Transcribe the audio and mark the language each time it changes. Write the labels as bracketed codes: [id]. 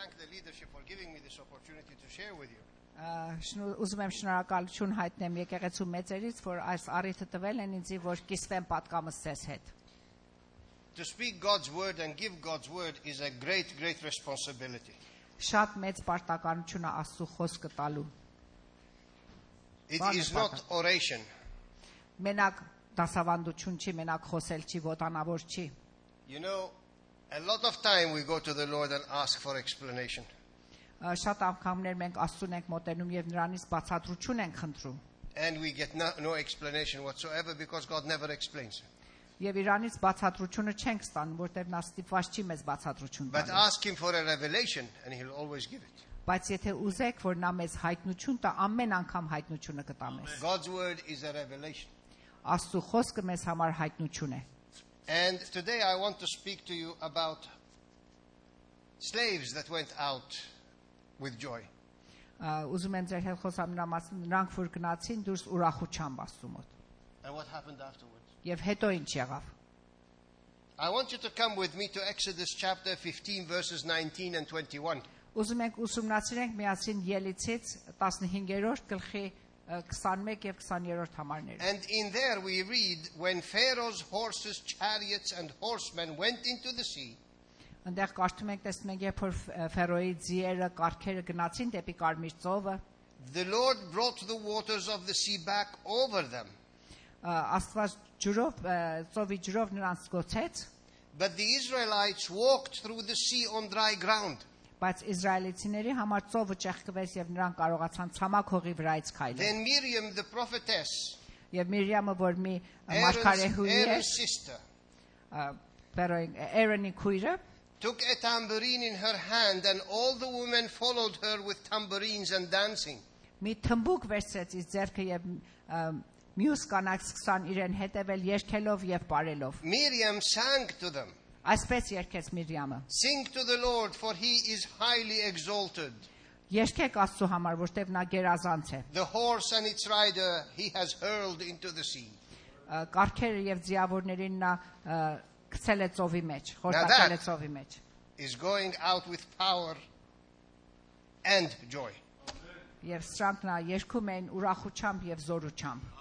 [en] leadership for giving me this opportunity to share with you. [hy] Ուզում եմ շնորհակալ ճուն հայտնեմ եկեղեցու մեծերից, որ այս առիթը տվել են ինձի, որ կիսվեմ պատկամս ձեզ հետ. [en] To speak God's word and give God's word is a great, great responsibility. [hy] Շատ մեծ պարտականություն է Աստծո խոսքը տալու. [en] It is not oration. [hy] Մենակ դասավանդություն չի, մենակ խոսել չի, ոտանավոր չի. [en] You know, a lot of time we go to the Lord and ask for explanation. [hy] Շատ անգամներ մենք Աստծուն ենք մոտենում եւ նրանից բացատրություն ենք խնդրում. [en] And we get no explanation whatsoever because God never explains. [hy] Եվ իրանից բացատրությունը չենք ստանում, որտեղ նա ստիպված չի մեզ բացատրություն տալ. [en] But ask him for a revelation and he'll always give it. [hy] Բայց եթե ուզեք, որ նա մեզ հայտնություն տա, ամեն անգամ հայտնությունը կտա մեզ. [en] God's word is a revelation. [hy] Աստծո խոսքը մեզ համար հայտնություն է. [en] And today I want to speak to you about slaves that went out with joy. [hy] Ուզում եմ ձեր հետ խոսամ նրա մասին, նրանք որ գնացին դուրս ուրախությամբ Աստծո մոտ. [en] And what happened afterwards? [hy] Եվ հետո ինչ եղավ? [en] I want you to come with me to Exodus chapter 15 verses 19 and 21. [hy] Ուզում եք ուսումնասիրենք միասին Ելիցից 15-րդ գլխի 21 եւ 22-րդ համարները. [en] And in there we read when Pharaoh's horses, chariots and horsemen went into the sea. [hy] Անդեր կարդում ենք, տեսնենք, երբ որ Ֆերոյի ձիերը, կարքերը գնացին դեպի կարմիր ծովը. [en] The Lord brought the waters of the sea back over them. [hy] Աստված ջրով, ծովի ջրով նրանց գցեց. [en] But the Israelites walked through the sea on dry ground. [hy] Բայց իսրայելցիների համար ծովը ճեղքվեց եւ նրանք կարողացան ցամաք հողի վրայից քայլել. [en] Then Miriam the prophetess. [hy] Եվ Միրիամը, որ մի մարգարեհուի էր. [en] Her sister. [hy] Aaron-ի քույրը. [en] Took a tambourine in her hand and all the women followed her with tambourines and dancing. [hy] Մի թմբուկ վերցրեց իր ձեռքը եւ մյուս կանաց սկսան իրեն հետևել երգելով եւ պարելով. [en] Miriam sang to them. [hy] Այսպես երգեց Միրիամը. [en] Sing to the Lord for he is highly exalted. [hy] Երգեք Աստծո համար, որտեղ նա գերազանց է. [en] The horse and its rider he has hurled into the sea. [hy] Կարքերը եւ ձիավորներին նա գցել է ծովի մեջ, խորտակել է ծովի մեջ. [en] Is going out with power and joy. [hy] Եվ սրանքնա երգում են ուրախությամբ եւ զորությամբ.